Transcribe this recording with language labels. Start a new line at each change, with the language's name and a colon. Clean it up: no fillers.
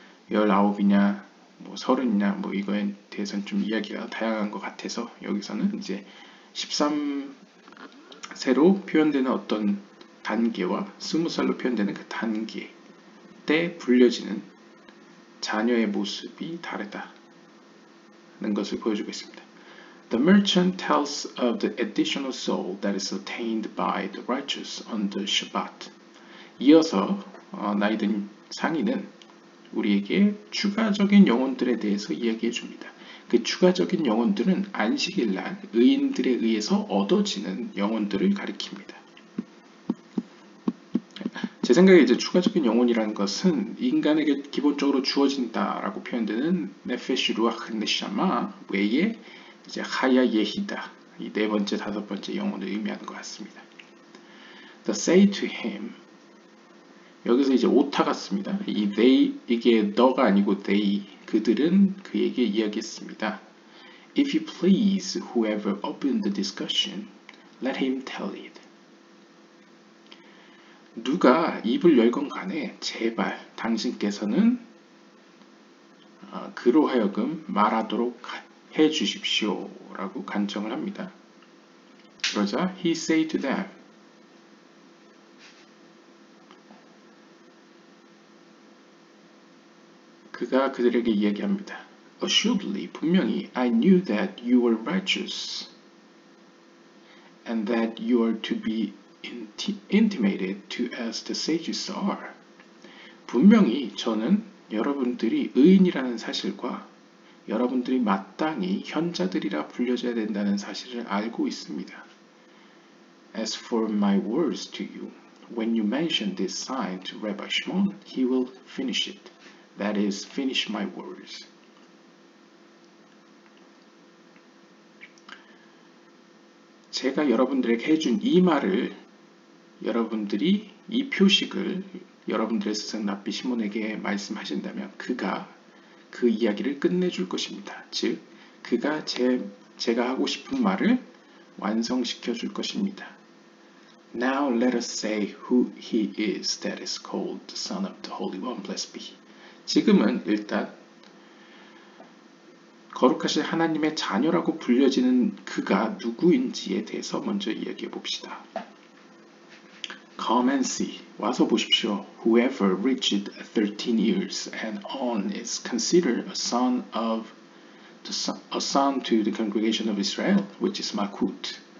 Korean: 19이냐 뭐 30이냐 뭐 이거에 대해서는 좀 이야기가 다양한 것 같아서 여기서는 이제 13세로 표현되는 어떤 단계와 20살로 표현되는 그 단계 때 불려지는 자녀의 모습이 다르다는 것을 보여주고 있습니다.
English: The merchant tells of the additional soul that is attained by the righteous on the Shabbat.
Korean: 이어서 나이 든 상인은 우리에게 추가적인 영혼들에 대해서 이야기해 줍니다. 그 추가적인 영혼들은 안식일날 의인들에 의해서 얻어지는 영혼들을 가리킵니다. 제 생각에 이제 추가적인 영혼이라는 것은 인간에게 기본적으로 주어진다라고 표현되는 네페시 루아흐 네샤마 외에 이제 하야 예히다 이 네 번째 다섯 번째 영혼을 의미하는 것 같습니다.
English: The say to him
Korean: 여기서 이제 오타 같습니다. 이
English: they
Korean: 이게 너가 아니고 they 그들은 그에게 이야기했습니다.
English: If you please, whoever opened the discussion, let him tell it.
Korean: 누가 입을 열건 간에 제발 당신께서는 그로 하여금 말하도록 해 주십시오 라고 간청을 합니다. 그러자
English: he say to them
Korean: 그가 그들에게 이야기합니다.
English: Assuredly,
Korean: 분명히
English: I knew that you were righteous and that you are to be intimated to as the sages are.
Korean: 분명히 저는 여러분들이 의인이라는 사실과 여러분들이 마땅히 현자들이라 불려져야 된다는 사실을 알고 있습니다.
English: As for my words to you, when you mention this sign to Rabbi Shimon, he will finish it. That is, finish my words.
Korean: 제가 여러분들에게 해준 이 말을 여러분들이 이 표식을 여러분들의 스승 랍비 시몬에게 말씀하신다면 그가 그 이야기를 끝내줄 것입니다. 즉, 그가 제가 하고 싶은 말을 완성시켜 줄 것입니다.
English: Now let us say who he is that is called the Son of the Holy One, blessed be.
Korean: 지금은 일단 거룩하신 하나님의 자녀라고 불려지는 그가 누구인지에 대해서 먼저 이야기해 봅시다.
English: Come and see.
Korean: 와서 보십시오.
English: Whoever reached 13 years and on is considered a son to the congregation of Israel, which is Malkut.